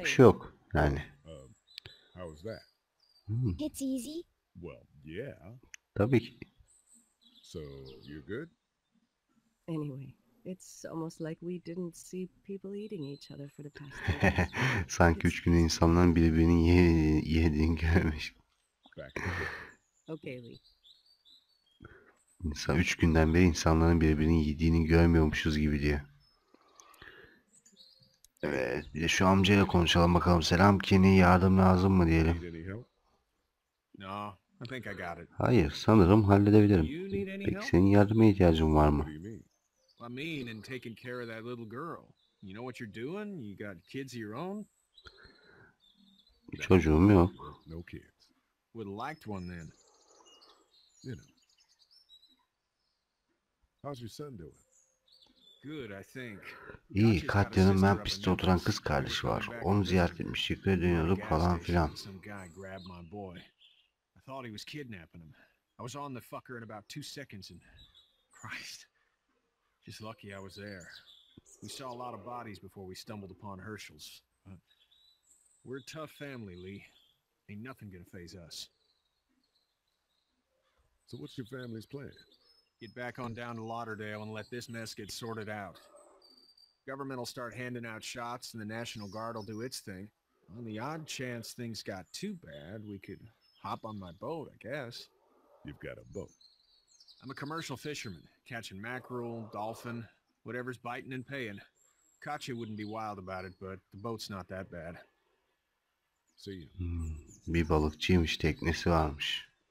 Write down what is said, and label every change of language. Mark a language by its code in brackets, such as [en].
[en] grade. [tr] şey yok. Yani. [en] How's that? It's easy. Well, yeah. [tr] Tabii ki. [en] So, you're good? Anyway, It's almost like we didn't see people eating each other for the past 3 days. [tr] Sanki [en] It's [tr] 3 günde insanların birbirini yediğini görmüş. [en] Okay, Lee. [tr] İnsan 3 günden beri insanların birbirini yediğini görmüyormuşuz gibi diyor. Evet, bir de şu amcayla konuşalım bakalım. Selam Kenny, yardım lazım mı diyelim. [en] No, I think I got it. [tr] Hayır, sanırım halledebilirim. Peki senin yardıma ihtiyacın var mı? [en] I mean, in taking care of that little girl. You know what you're doing? You got kids of your own? [tr] Çocuğum yok. [en] No kids. Would have liked one then. You know. How's your son doing? Good, I think. [tr] İyi, Katya'nın Memphis'te oturan kız kardeşi var. Onu ziyaret etmiş, yükle dönüyorduk falan filan. [en] Some guy grabbed my boy. I thought he was kidnapping him. I was on the fucker in about 2 seconds and... Christ. Just lucky I was there. We saw a lot of bodies before we stumbled upon Herschel's. We're a tough family, Lee. Ain't nothing gonna faze us. So what's your family's plan? Get back on down to Lauderdale and let this mess get sorted out. Government will start handing out shots and the National Guard will do its thing. On the odd chance things got too bad, we could hop on my boat, I guess. You've got a boat. I'm a commercial fisherman, catching mackerel, dolphin, whatever's biting and paying. Katya wouldn't be wild about it, but the boat's not that bad. See you. [tr] Bir balıkçıymış, teknesi varmış.